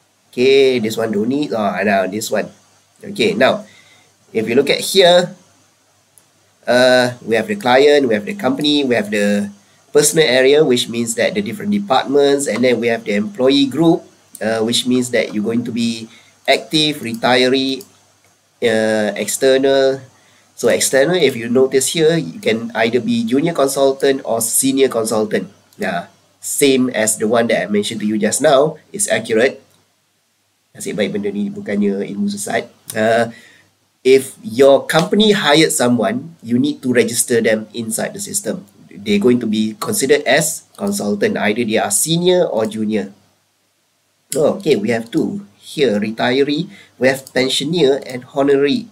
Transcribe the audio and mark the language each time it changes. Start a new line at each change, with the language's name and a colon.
English: Okay, this one don't need. Oh, now this one. Okay, now, if you look at here, we have the client, we have the company, we have the personal area, which means that the different departments, and then we have the employee group, which means that you're going to be active, retiree, external. So external, if you notice here, you can either be junior consultant or senior consultant. Yeah, same as the one that I mentioned to you just now, it's accurate.
Malay: Nasib baik benda ni bukannya ilmu sesat.
English: If your company hired someone, you need to register them inside the system. They're going to be considered as consultant. Either they are senior or junior. Oh, okay, we have two here. Retiree, we have pensioner and honorary.